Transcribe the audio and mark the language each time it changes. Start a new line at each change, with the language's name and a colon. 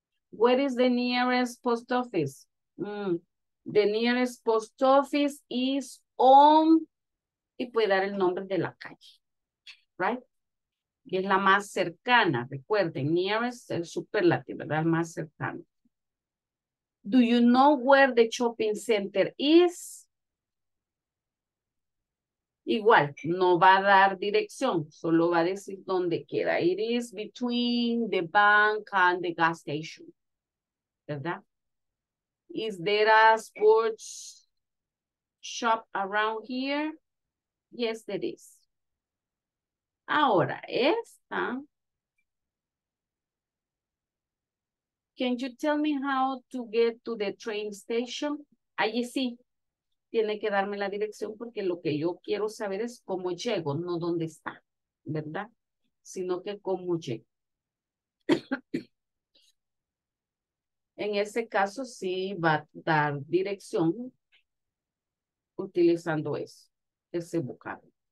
English: Where is the nearest post office? The nearest post office is on,
Spanish: y puede dar el nombre de la calle,
English: right?
Spanish: Que es la más cercana, recuerden, nearest, el superlativo, ¿verdad? Más cercano.
English: Do you know where the shopping center is?
Spanish: Igual, no va a dar dirección, solo va a decir dónde queda.
English: It is between the bank and the gas station. ¿Verdad? Is there a sports shop around here? Yes, there is.
Spanish: Ahora, esta.
English: Can you tell me how to get to the train station?
Spanish: Allí sí. Tiene que darme la dirección porque lo que yo quiero saber es cómo llego, no dónde está, ¿verdad? Sino que cómo llego. En ese caso, sí va a dar dirección utilizando eso, ese vocablo.